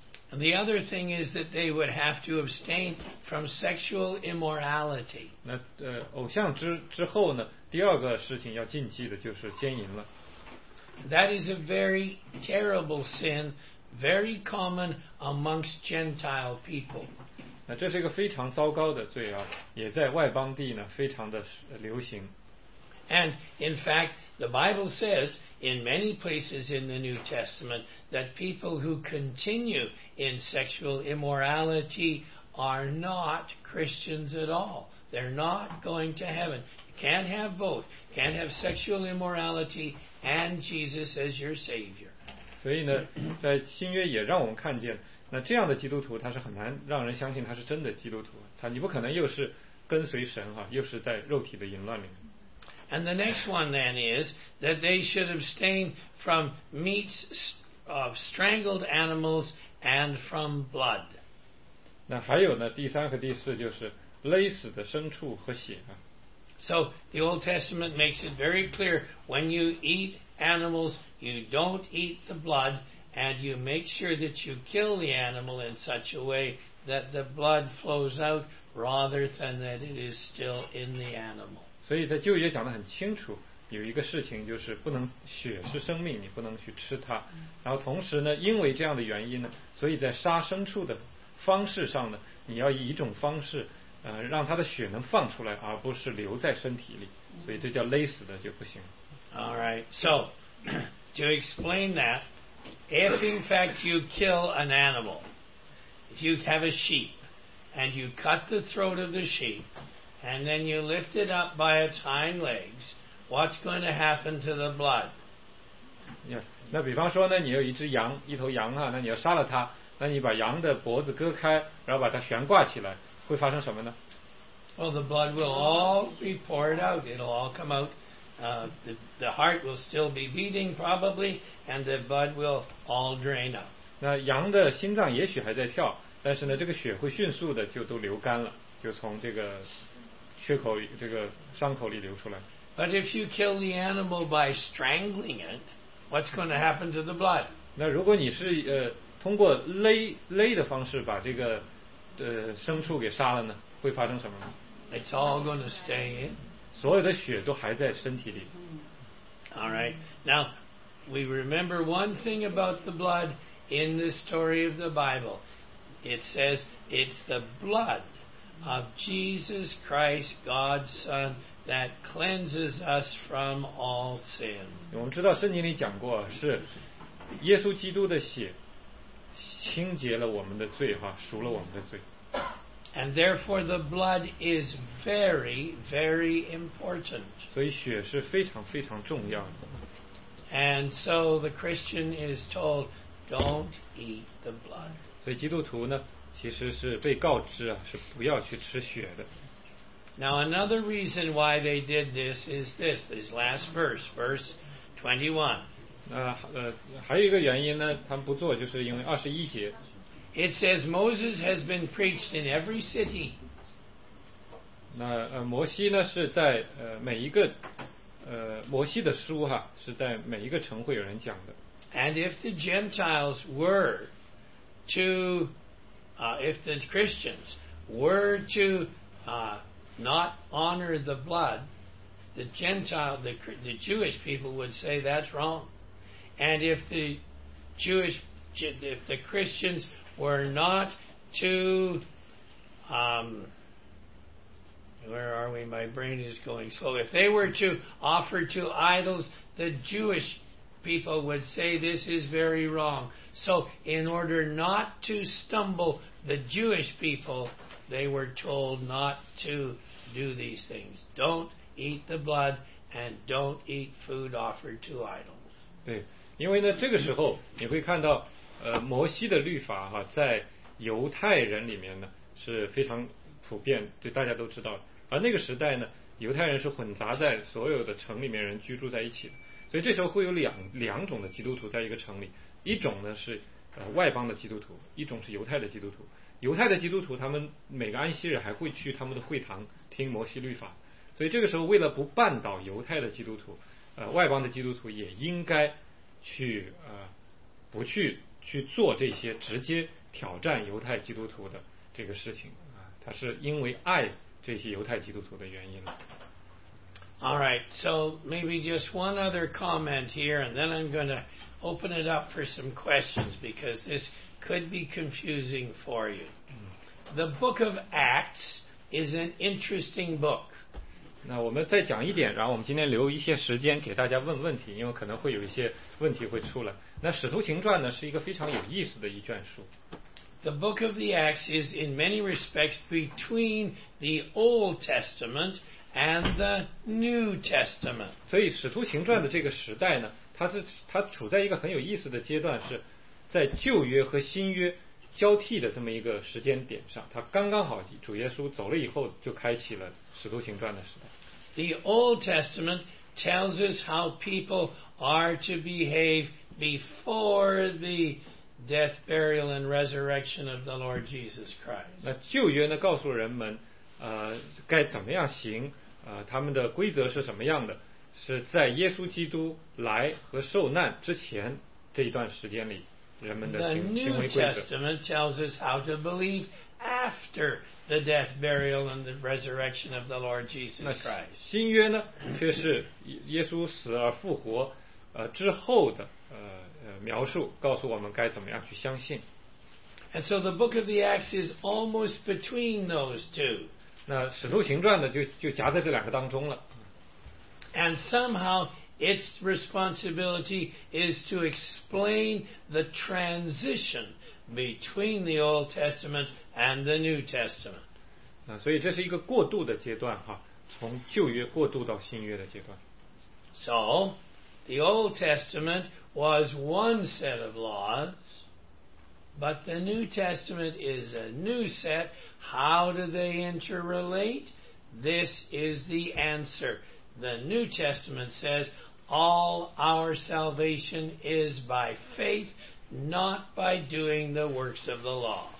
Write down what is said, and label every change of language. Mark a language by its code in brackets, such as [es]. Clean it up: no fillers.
[en] And the other thing is that they would have to abstain from sexual immorality. [zh] 那偶像之后呢，第二个事情要禁忌的就是奸淫了。 [en] That is a very terrible sin, very common amongst Gentile people. [zh] 那这是一个非常糟糕的罪啊，也在外邦地呢非常的流行。 [en] And in fact, the Bible says in many places in the New Testament that people who continue in sexual immorality are not Christians at all. They're not going to heaven. Can't have both. Can't have sexual immorality and Jesus as your Savior. [zh] 所以呢，在新约也让我们看见，那这样的基督徒他是很难让人相信他是真的基督徒。他你不可能又是跟随神哈，又是在肉体的淫乱里面。 [en] And the next one then is that they should abstain from meats of strangled animals and from blood. [zh] 那还有呢，第三和第四就是勒死的牲畜和血啊。 [en] So the Old Testament makes it very clear when you eat animals, you don't eat the blood, and you make sure that you kill the animal in such a way that the blood flows out rather than that it is still in the animal. [zh] 所以在旧约讲得很清楚，有一个事情就是不能血是生命，你不能去吃它。然后同时呢，因为这样的原因呢，所以在杀牲畜的方式上呢，你要以一种方式让他的血能放出来，而不是留在身体里，所以这叫勒死的就不行。 [en] All right, so to explain that, if in fact you kill an animal, if you have a sheep and you cut the throat of the sheep and then you lift it up by its hind legs, what's going to happen to the blood? [zh] Yeah, 那比方说呢，你有一只羊，一头羊啊，那你要杀了它，那你把羊的脖子割开，然后把它悬挂起来。会发生什么呢？ [en] Well, the blood will all be poured out. It'll all come out. The heart will still be beating, probably, and the blood will all drain out. [zh] 那羊的心脏也许还在跳，但是呢，这个血会迅速的就都流干了，就从这个血口这个伤口里流出来。 [en] But if you kill the animal by strangling it, what's going to happen to the blood? [zh] 那如果你是通过勒的方式把这个牲畜给杀了呢，会发生什么呢？ [en] It's all going to stay in. [zh] 所有的血都还在身体里。 [en] All right. Now, we remember one thing about the blood in the story of the Bible. It says it's the blood of Jesus Christ, God's Son, that cleanses us from all sin. [zh] 我们知道圣经里讲过，是耶稣基督的血清洁了我们的罪，赎了我们的罪。 [en] And therefore the blood is very, very important. [zh] 所以血是非常非常重要的。 [en] And so the Christian is told, don't eat the blood. [zh] 所以基督徒呢，其实是被告知啊，是不要去吃血的。 [en] Now another reason why they did this is this, this last verse, verse 21. [zh] 还有一个原因呢，他们不做，就是因为二十一节。 [en] It says Moses has been preached in every city. [zh] 那摩西呢是在每一个摩西的书哈是在每一个城会有人讲的。 [en] And if the Gentiles were to, if the Christians were to not honor the blood, the Jewish people would say that's wrong. And if the Christians were not to, where are we? My brain is going slow. If they were to offer to idols, the Jewish people would say this is very wrong. So in order not to stumble the Jewish people, they were told not to do these things. Don't eat the blood and don't eat food offered to idols. [zh] 对，因为呢，这个时候你会看到，摩西的律法哈，在犹太人里面呢是非常普遍，对大家都知道的。而那个时代呢，犹太人是混杂在所有的城里面人居住在一起的，所以这时候会有两种的基督徒在一个城里，一种呢是外邦的基督徒，一种是犹太的基督徒。犹太的基督徒他们每个安息日还会去他们的会堂听摩西律法，所以这个时候为了不绊倒犹太的基督徒，外邦的基督徒也应该去不去做这些直接挑战犹太基督徒的这个事情啊，他是因为爱这些犹太基督徒的原因了。 [en] All right, so maybe just one other comment here, and then I'm going to open it up for some questions because this could be confusing for you. The book of Acts is an interesting book. [zh] 那我们再讲一点，然后我们今天留一些时间给大家问问题，因为可能会有一些问题会出来。那《使徒行传》呢，是一个非常有意思的一卷书。 [en] The book of the Acts is in many respects between the Old Testament and the New Testament. [zh] 所以使徒行传的这个时代呢，它处在一个很有意思的阶段，是在旧约和新约交替的这么一个时间点上，它刚刚好主耶稣走了以后就开启了使徒行传的时代。 [en] The Old Testament tells us how people are to behave before the death, burial, and resurrection of the Lord Jesus Christ. [zh] 那旧约呢告诉人们该怎么样行，他们的规则是什么样的，是在耶稣基督来和受难之前这一段时间里人们的行为规则。 [en] The New Testament tells us how to believe after the death, burial, and the resurrection of the Lord Jesus Christ. [zh] 新约呢却是耶稣死而复活之后的描述，告诉我们该怎么样去相信。 [en] And so the book of the Acts is almost between those two. [zh] 那使徒行传呢就夹在这两个当中了。 [en] And somehow its responsibility is to explain the transition between the Old Testament and the New Testament. [zh] 那所以这是一个过渡的阶段哈，从旧约过渡到新约的阶段。 [en] So the Old Testament was one set of laws, but the New Testament is a new set. How do they interrelate? This is the answer. The New Testament says, all our salvation is by faith, not by doing the works of the law.